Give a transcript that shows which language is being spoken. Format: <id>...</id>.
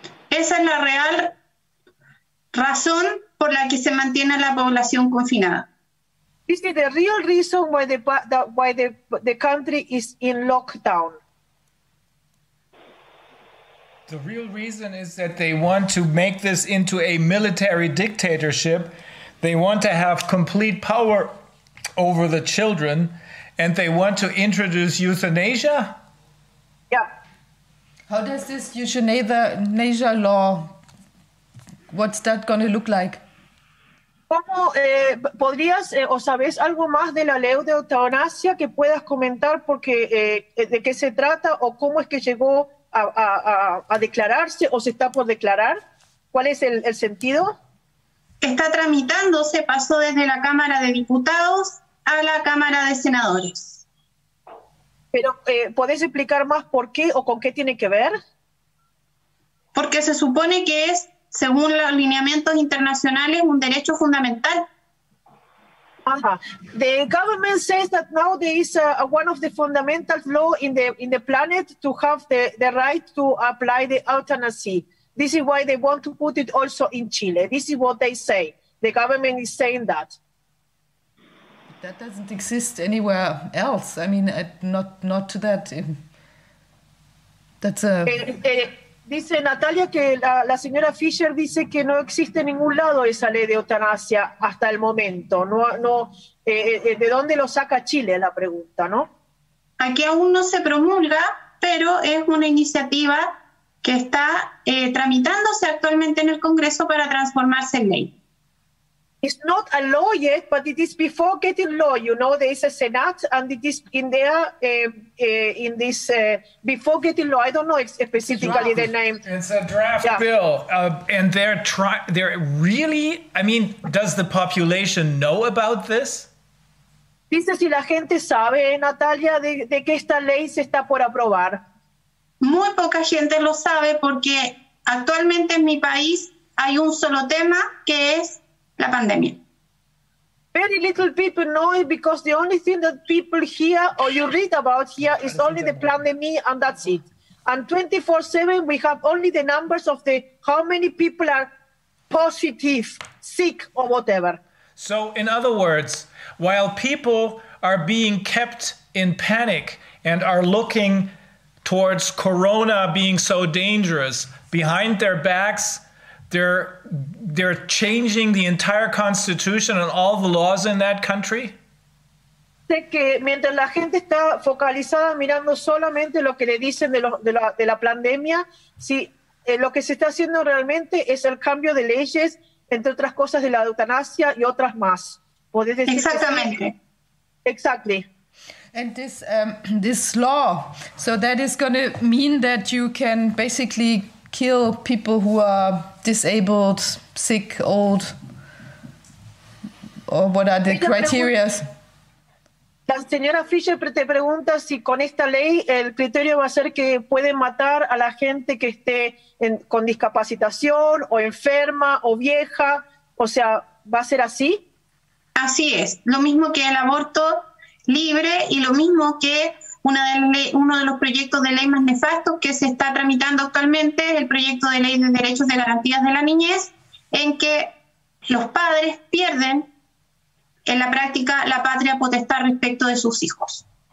<es>Esa es la real razón por la que se mantiene la población confinada.</es> <en>Is it the real reason why the country is in lockdown? The real reason is that they want to make this into a military dictatorship. They want to have complete power over the children, and they want to introduce euthanasia? Yeah. How does this euthanasia law, what's that going to look like?</en> <es>¿Cómo podrías o sabes algo más de la ley de eutanasia que puedas comentar porque de qué se trata o cómo es que llegó a declararse o se está por declarar? ¿Cuál es el sentido? Está tramitándose, pasó desde la Cámara de Diputados a la Cámara de Senadores. Pero ¿podés explicar más por qué o con qué tiene que ver? Porque se supone que es, según los lineamientos internacionales, un derecho fundamental. Ajá.</es> <en>The government says that now there is one of the fundamental law in the planet to have the right to apply the euthanasia. This is why they want to put it also in Chile. This is what they say. The government is saying that. That doesn't exist anywhere else. I mean, not to that. That's a...</en> <es>Dice Natalia que la señora Fisher dice que no existe en ningún lado esa ley de eutanasia hasta el momento. ¿De dónde lo saca Chile? La pregunta, ¿no? Aquí aún no se promulga, pero es una iniciativa que está tramitándose actualmente en el Congreso para transformarse en ley.</es> <en>It's not a law yet, but it is before getting law. You know, there is a Senate, and it is in there, in this, before getting law. I don't know specifically the name. It's a draft bill. And they're really, I mean, does the population know about this?</en> <es>Dice si la gente sabe, Natalia, de que esta ley se está por aprobar. Muy poca gente lo sabe, porque actualmente en mi país hay un solo tema, que es la pandemia.</es> <en>Very little people know it because the only thing that people hear or you read about here is only the pandemic and that's it. And 24/7 we have only the numbers of the how many people are positive, sick or whatever. So in other words, while people are being kept in panic and are looking towards corona being so dangerous, behind their backs, They're changing the entire constitution and all the laws in that country?</en> <es>De que mientras la gente está focalizada mirando solamente lo que le dicen de la pandemia, si lo que se está haciendo realmente es el cambio de leyes, entre otras cosas de la eutanasia y otras más. ¿Podés decir exactamente?</es> <en>Exactly. And this law, so that is going to mean that you can basically kill people who are disabled, sick, old, or what are the criteria?</en> <es>La señora Fischer te pregunta si con esta ley el criterio va a ser que pueden matar a la gente que esté con discapacitación o enferma o vieja, o sea, ¿va a ser así? Así es, lo mismo que el aborto libre y lo mismo que uno de los proyectos de ley más nefastos que se está tramitando actualmente, el proyecto de ley de derechos y garantías de la niñez, en que los padres pierden en la práctica la patria potestad respecto de sus hijos.</es>